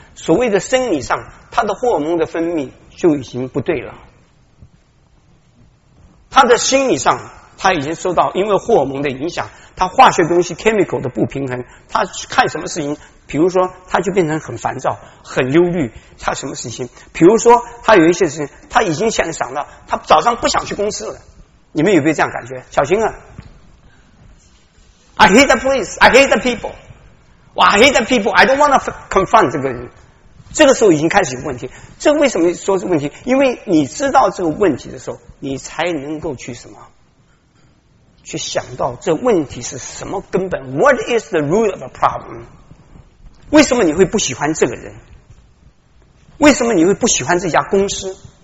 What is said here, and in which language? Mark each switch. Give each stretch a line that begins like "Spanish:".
Chinese: 所谓的生理上，他的荷尔蒙的分泌就已经不对了；他的心理上，他已经受到因为荷尔蒙的影响，他化学东西 chemical 的不平衡，他看什么事情，比如说他就变成很烦躁、很忧虑。他什么事情？比如说他有一些事情，他已经现在想到，他早上不想去公司了。你们有没有这样感觉？小心啊！
English: I hate the police, I hate the people. Wow, I hate the people. I don't want to confront
Chinese: 这个人。这个时候已经开始有问题。这为什么说这个问题？因为你知道这个问题的时候，你才能够去什么？去想到这问题是什么根本 ？
English: What is the root of a problem？
Chinese: 为什么你会不喜欢这个人？为什么你会不喜欢这家公司？